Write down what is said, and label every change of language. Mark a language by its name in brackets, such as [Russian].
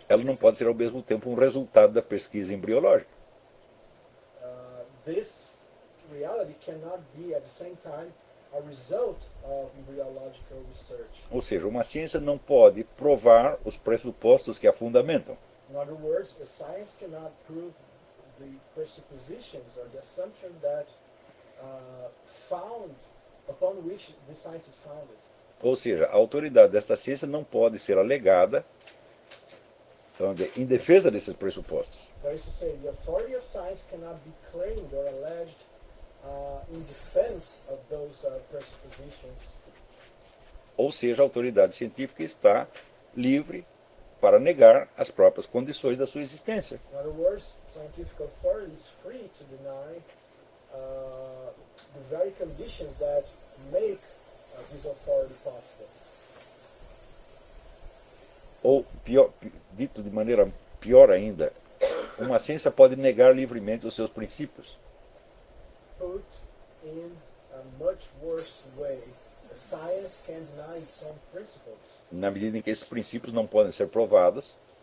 [Portuguese] Ela não pode ser ao mesmo tempo um resultado da pesquisa embriológica. [English] This reality cannot be at the same time a result of embryological research. [Portuguese] Ou seja, uma ciência não pode provar os pressupostos que a fundamentam. [English] In other words, a science cannot prove the presuppositions or the assumptions that found upon which the science is founded. [Portuguese] Ou seja, a autoridade desta ciência não pode ser alegada em defesa desses pressupostos. [English] That is to say, the authority of science cannot be claimed or alleged in defense of those presuppositions. [Portuguese] Ou seja, a autoridade científica está livre para negar as próprias condições da sua existência. [English] In other words, scientific authority is free to deny the very conditions that make this authority possible. [Portuguese] Ou, pior, dito de maneira pior ainda, uma ciência pode negar livremente os seus princípios. [English] Put in a much worse way, the science can deny its own principles. [Portuguese] Na medida em que esses princípios não podem ser provados,